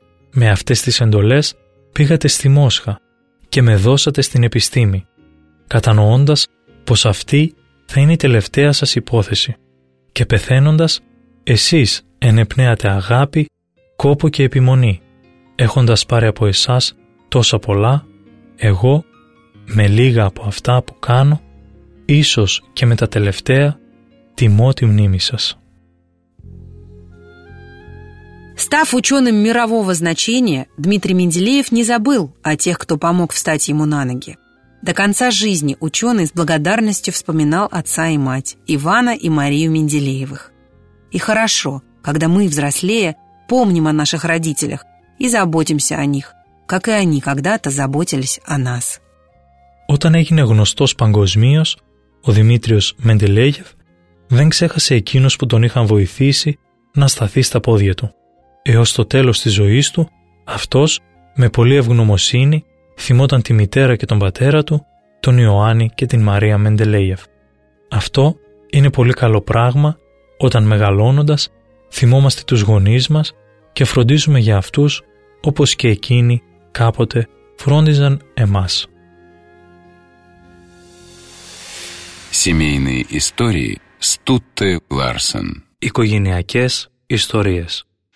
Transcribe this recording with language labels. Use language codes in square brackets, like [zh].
[el] Με αυτές τις εντολές πήγατε στη Μόσχα και με δώσατε στην επιστήμη, κατανοώντας πως αυτή θα είναι η τελευταία σας υπόθεση και πεθαίνοντας εσείς ενεπνέατε αγάπη, κόπο και επιμονή, έχοντας πάρει από εσάς τόσα πολλά, εγώ με λίγα από αυτά που κάνω, ίσως και με τα τελευταία, τιμώ τη μνήμη σας. [ru] Став ученым мирового значения, Дмитрий Менделеев не забыл о тех, кто помог встать ему на ноги. До конца жизни ученый с благодарностью вспоминал отца и мать, Ивана и Марию Менделеевых. И хорошо, когда мы, взрослее, помним о наших родителях и заботимся о них, как и они когда-то заботились о нас. [el] Όταν έγινε γνωστός παγκοσμίως, ο Δημήτριος Μεντελέγεφ δεν ξέχασε εκείνους που τον είχαν βοηθήσει να σταθεί στα πόδια του. Έως το τέλος της ζωής του, αυτός, με πολύ ευγνωμοσύνη, θυμόταν τη μητέρα και τον πατέρα του, τον Ιωάννη και την Μαρία Μεντελέγεφ. Αυτό είναι πολύ καλό πράγμα όταν μεγαλώνοντας θυμόμαστε τους γονείς μας και φροντίζουμε για αυτούς όπως και εκείνοι κάποτε φρόντιζαν εμάς. [ru] Семейные истории Стутте Ларсен. [el] Οικογενειακές ιστορίες.